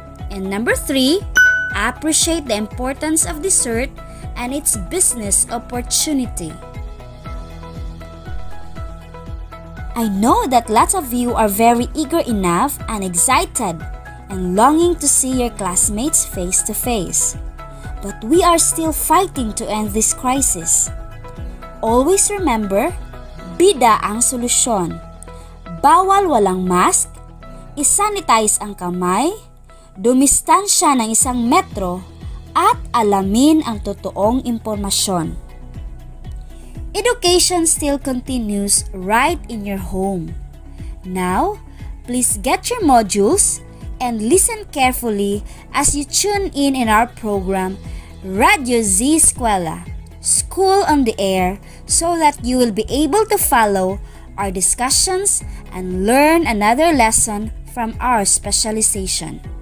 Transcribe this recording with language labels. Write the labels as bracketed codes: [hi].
[en] And number 3, appreciate the importance of dessert and its business opportunity. I know that lots of you are very eager enough and excited and longing to see your classmates face to face. But we are still fighting to end this crisis. Always remember, [tl] bida ang solusyon. Bawal walang mask, isanitize ang kamay, dumistansya ng 1 metro, at alamin ang totoong impormasyon. [en] Education still continues right in your home. Now, please get your modules and listen carefully as you tune in our program, Radyo Z-Eskwela, School on the Air, so that you will be able to follow our discussions and learn another lesson from our specialization.